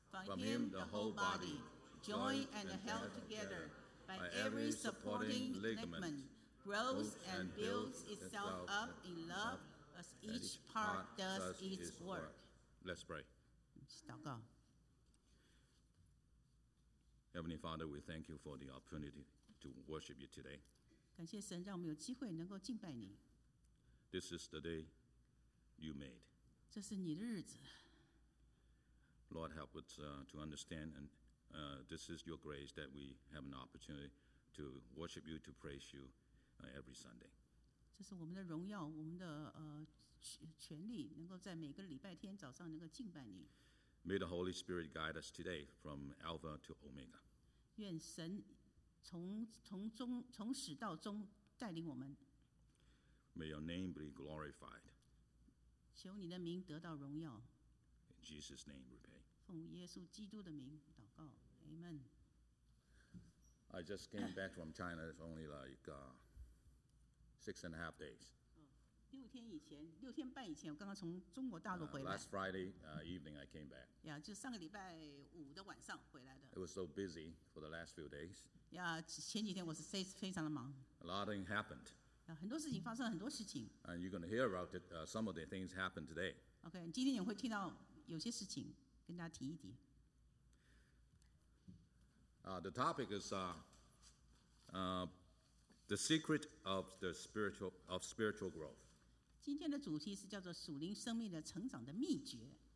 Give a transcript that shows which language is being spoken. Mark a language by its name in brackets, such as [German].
[English] From him the whole body, joined and held together by every supporting ligament, grows and builds itself up in love as each part does its work. Let's pray. Heavenly Father, we thank you for the opportunity to worship you today. [Chinese] 感谢神让我们有机会能够敬拜你。 [English] This is the day you made. [Chinese] 这是你的日子。 [English] Lord, help us to understand, and this is your grace that we have an opportunity to worship you, to praise you every Sunday. [Chinese] 这是我们的荣耀, 我们的, 权利, 能够在每个礼拜天早上能够敬拜你。 [English] May the Holy Spirit guide us today from Alpha to Omega. [Chinese] 愿神 从始到终, [English] may your name be glorified. [Chinese] 求你的名得到荣�ao. [English] In Jesus' name we pray. [Chinese] 奉耶稣基督的名祷告, Amen. [English] I just came back from China. It's only like 6.5 days. [Chinese] 六天半以前我刚刚从中国大陆回来。 [English] Last Friday evening I came back. [Chinese] Yeah, 就上个礼拜五的晚上回来的。 [English] It was so busy for the last few days. [Chinese] Yeah, 前几天我是非常的忙。 [English] A lot of things happened. [Chinese] Yeah, 很多事情发生了很多事情。 [English] And you're going to hear about it, some of the things happened today. [Chinese] Okay, 今天你会听到有些事情跟大家提一提。 [English] The topic is the secret of the spiritual growth. [Chinese] 今天的主题是叫做属灵生命的成长的秘诀。